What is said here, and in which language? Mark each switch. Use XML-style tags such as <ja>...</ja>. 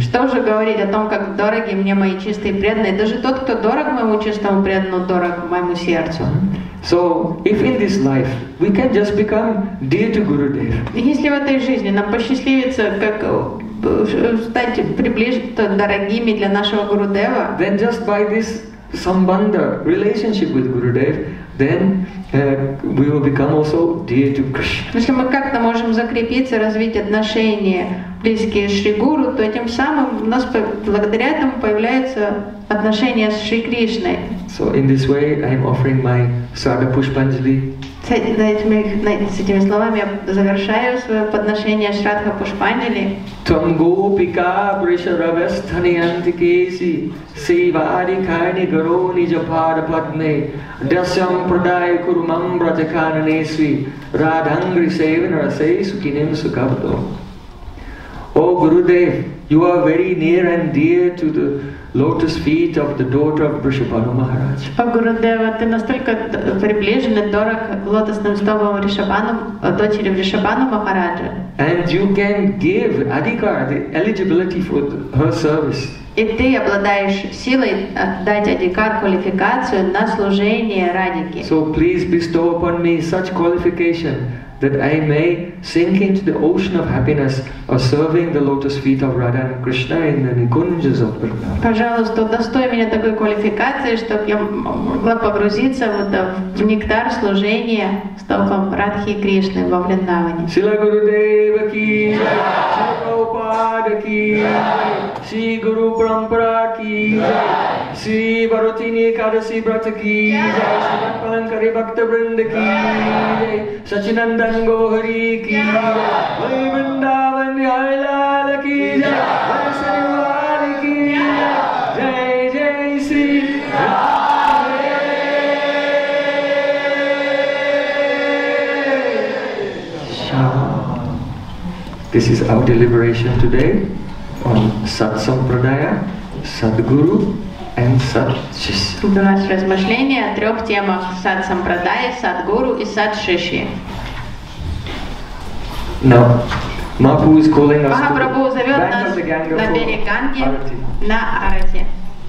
<ru>Что же говорить о том, как дороги мне мои чистые преданные? Даже тот, кто дорог моему чистому преданному, дорог моему сердцу.</ru> <en>So, if in this life we can just become dear to Gurudev.</en> <ru>Если в этой жизни нам посчастливится как стать приближенными, дорогими для нашего Гурудева.</ru> <en>Then just by this sambandha, relationship with Gurudev, then we will become also dear to Krishna.</en> <ru>Если мы как-то можем закрепиться, развить отношения близкие с Шри Гуру, то этим самым у нас благодаря этому появляются отношения с Шри Кришной.</ru> <en>So in this way, I am offering my Sarva Pushpanjali.</en> <ru>С этими словами я завершаю свое подношение Шрадха Пушпанджали. Тамгопика Пришаравестхани Антикеси Сейвари Кайни Гарони Джапара Патне Дасям Прадай Курумам Браджакана Несви Радхангри Севинара Сейсу Кинем Сукабдо.</ru> <en>О Гурудев, you are very near and dear to the lotus feet of the daughter of Vrishabhanu Maharaj.</en> <ru>О Гурудева, ты настолько приближен и дорог лотосным стопам Вришабану, дочери Вришабану Махараджа.</ru> <en>And you can give adhikar, the eligibility for her service.</en> <ru>И ты обладаешь силой дать адикар квалификацию на служение Радике.</ru> <en>So please bestow upon me such qualification that I may sink into the ocean of happiness of serving the lotus feet of Radha and Krishna in the Nikunjas of Vrindavan.</en> <ru>Пожалуйста, достой меня такой квалификации, чтобы я могла погрузиться вот в нектар служения стопам Радхи и Кришны во Вриндаване. Сила Гурудева ки, Сила Прабхупада ки, Си Гуру Парампара ки, Си Бхаратини Экадаси Брата ки, Сиддхартха Калангкари Бхакта Вринда ки, Сачинанда Dango Hari ki jai, Hari Vrindavan Hari Lala ki jai, Hari Sarivar ki jai, Jai Jai Sri Radhe.</ru> <en>This is our deliberation today on Sat Sampradaya, Sadguru and Sat Shishya.</en> <ru>Это наше размышление о трех темах: Сат Сампрадая, Садгуру и Сат Шишья.</ru> <en>No, Mahaprabhu is calling us to the bank of the Ganga for Arati.</en>